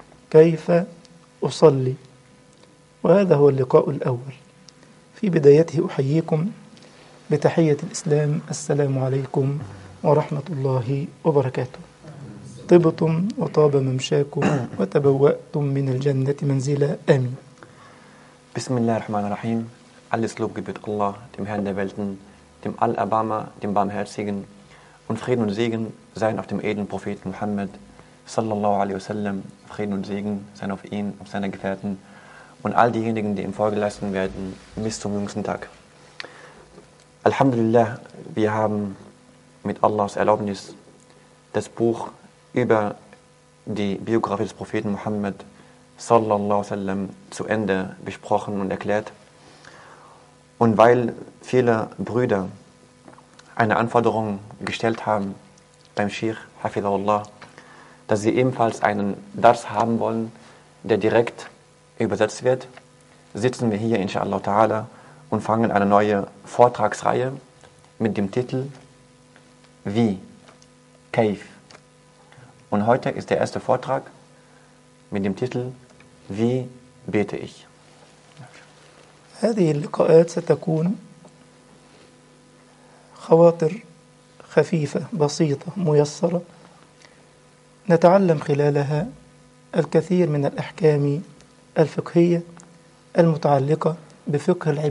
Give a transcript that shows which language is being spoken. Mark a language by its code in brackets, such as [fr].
[ar] كيف أصلي، وهذا هو اللقاء الأول. في بدايته أحييكم بتحية الإسلام، السلام عليكم ورحمة الله وبركاته. طبتم وطاب ممشاكم وتبوأتم من الجنة منزلا، آمين. بسم الله الرحمن الرحيم. [de] Alles Lob gebührt Allah, dem Herrn der Welten, dem Allerbarmer, dem Barmherzigen, und Frieden und Segen seien auf dem edlen Propheten Muhammad sallallahu alaihi wasallam. Frieden und Segen seien auf ihn, auf seine Gefährten und all diejenigen, die ihm Folge leisten werden bis zum jüngsten Tag. Alhamdulillah, wir haben mit Allahs Erlaubnis das Buch über die Biografie des Propheten Muhammad sallallahu alaihi wasallam zu Ende besprochen und erklärt. Und weil viele Brüder eine Anforderung gestellt haben beim Sheikh Hafidhahullah, dass sie ebenfalls einen Dars haben wollen, der direkt übersetzt wird, sitzen wir hier inshallah ta'ala und fangen eine neue Vortragsreihe mit dem Titel Wie, Kaif. Und heute ist der erste Vortrag mit dem Titel Wie bete ich. [ar] هذه اللقاءات ستكون خواطر خفيفة بسيطة ميسرة، نتعلم خلالها الكثير من الأحكام الفقهية المتعلقة بفقه